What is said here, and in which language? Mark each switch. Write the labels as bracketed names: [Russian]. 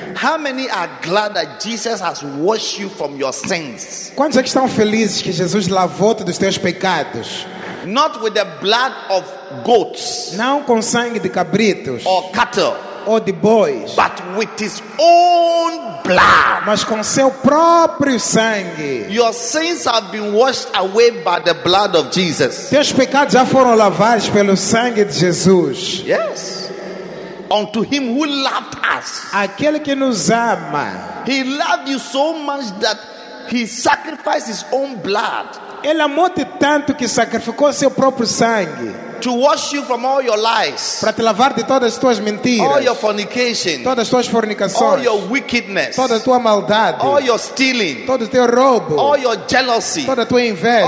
[English] How many are glad that Jesus has washed you from your sins? [Portuguese] Quantos é que estão felizes que Jesus lavou-te dos teus pecados? [English] Not with the blood of goats. [Portuguese] Não com sangue de cabritos. [English] Or cattle. [Portuguese] Ou de bois. [English] But with his own blood. [Portuguese] Mas com seu próprio sangue. [English] Your sins have been washed away by the blood of Jesus. [Portuguese] Teus pecados já foram lavados pelo sangue de Jesus. [English] Yes. Unto him who loved us. [Portuguese] Aquele que nos ama. [English] He loved you so much that he sacrificed his own blood. [Portuguese] Ele amou-te tanto que sacrificou seu próprio sangue. [English] To wash you from all your lies. [Portuguese] Para te lavar de todas as tuas mentiras. [English] All your fornication. [Portuguese] Todas as tuas fornicações. [English] All your wickedness. [Portuguese] Toda a tua maldade. [English] All your stealing. [Portuguese] Todo o teu roubo. [English] All your jealousy. [Portuguese] Toda a tua inveja.